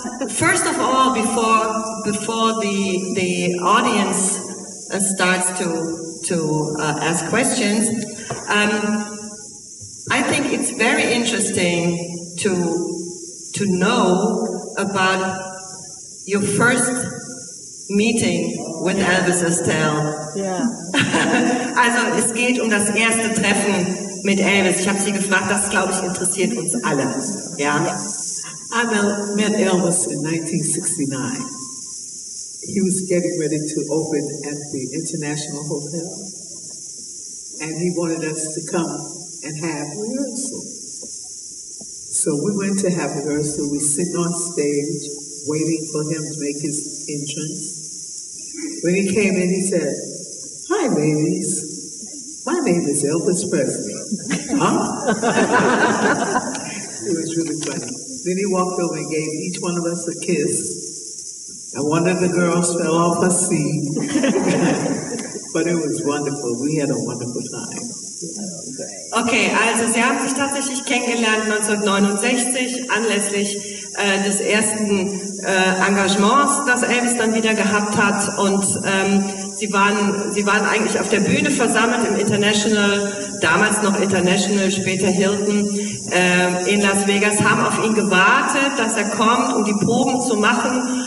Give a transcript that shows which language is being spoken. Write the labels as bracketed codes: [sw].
[en] First of all, before the audience starts to ask questions, I think it's very interesting to know about your first meeting with Elvis Estelle. Yeah. [de] Also, es geht um das erste Treffen mit Elvis. Ich habe sie gefragt, das, glaube ich, interessiert uns alle. Ja. [en] I met Elvis in 1969. He was getting ready to open at the International Hotel. And he wanted us to come and have rehearsal. So we went to have rehearsal. We sit on stage waiting for him to make his entrance. When he came in, he said, "Hi, ladies. My name is Elvis Presley." Huh? It was really funny. Then he walked over and gave each one of us a kiss. And one of the girls fell off her seat. But it was wonderful. We had a wonderful time. [de] Okay, also sie haben sich tatsächlich kennengelernt 1969 anlässlich des ersten Engagements, das Elvis dann wieder gehabt hat. Und sie waren eigentlich auf der Bühne versammelt im International, damals noch International, später Hilton, in Las Vegas, haben auf ihn gewartet, dass er kommt, um die Proben zu machen.